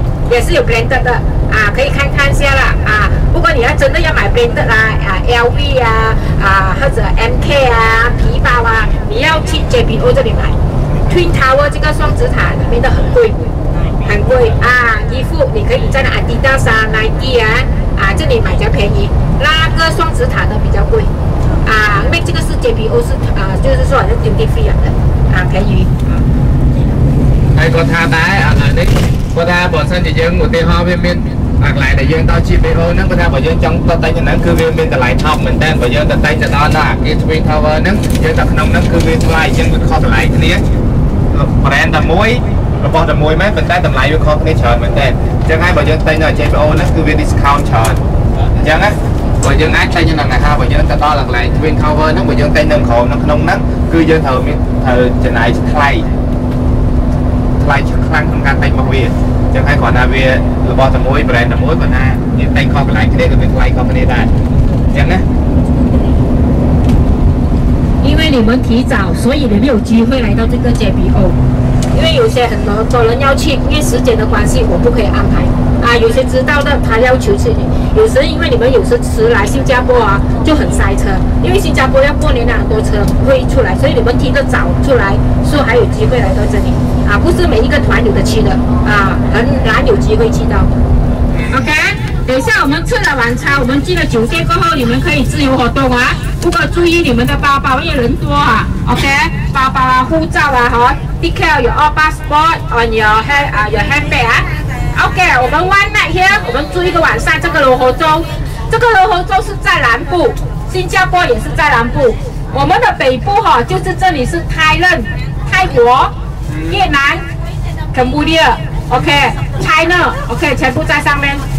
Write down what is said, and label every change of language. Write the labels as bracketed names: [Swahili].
[Chinese] 也是有 branded 的啊可以看看一下啦啊不过你要真的要买 branded 啦 LV 啊啊或者 MK 啊皮包啊你要去 JBO 这里买 Twin Tower 这个双子塔里面的很贵很贵啊衣服你可以在那 Adidas 啊 Nike 啊啊这里买比较便宜那个双子塔的比较贵啊因为这个是 JBO 是啊就是说是 duty free 的啊便宜 [Khmer] ឯកថាដែរអានេះគាត់ថាបើសិនជាយើងឧទាហរណ៍វាមានអាកន្លែងដែលយើងទៅជីបេហូហ្នឹងគាត់ថាបើយើងចង់ទៅតែហ្នឹងគឺវាមានតម្លៃថោកមែនតើបើយើងទៅតែដល់ណាគេ Twin Tower ហ្នឹងយើងទៅក្នុងហ្នឹងគឺវាថ្លៃជាងវាខុសតម្លៃគ្នា brand តែមួយរបស់តែមួយមែនប៉ុន្តែតម្លៃវាខុសគ្នាច្រើនមែនតើអញ្ចឹងហើយបើយើងទិញនៅ JBO ហ្នឹងគឺវា discount ច្រើនអញ្ចឹងណា បើយើងអាចទិញនៅណាហើយបើយើងទៅដល់កន្លែង Twin Cover ហ្នឹងបើយើងទិញនៅក្រុមក្នុងហ្នឹងគឺយើងត្រូវមានត្រូវចំណាយថ្លៃថ្លៃខ្លាំងក្នុងការទិញរបស់វាអញ្ចឹងហើយគ្រាន់តែវារបស់តែមួយ brand តែមួយប៉ុន្តែយើងទិញខុសកន្លែងគ្នាគឺវាថ្លៃខុសគ្នាដែរអញ្ចឹងណា [Chinese] 因为你们提早，所以你没有机会来到这个 JBO。因为有些很多多人要去，因为时间的关系，我不可以安排。啊，有些知道的他要求去，有时因为你们有时迟来新加坡啊，就很塞车。因为新加坡要过年了，很多车会出来，所以你们提得早出来，说还有机会来到这里。啊，不是每一个团有的去的，啊，很难有机会去到。 OK。等一下我们吃了晚餐，我们进了酒店过后，你们可以自由活动啊，不过注意你们的包包，因为人多啊。 OK， 包包啊，护照啊，好 ， [English] take care your passport on your hand [Chinese] 啊、 [English] your handbag [Chinese] 啊。 OK， 我们 [English] one night here， [Chinese] 我们住一个晚上。这个罗湖洲，这个罗湖洲是在南部，新加坡也是在南部。我们的北部哈、就是这里是泰伦、泰国、越南、Cambodia。 OK， China。 OK， 全部在上面。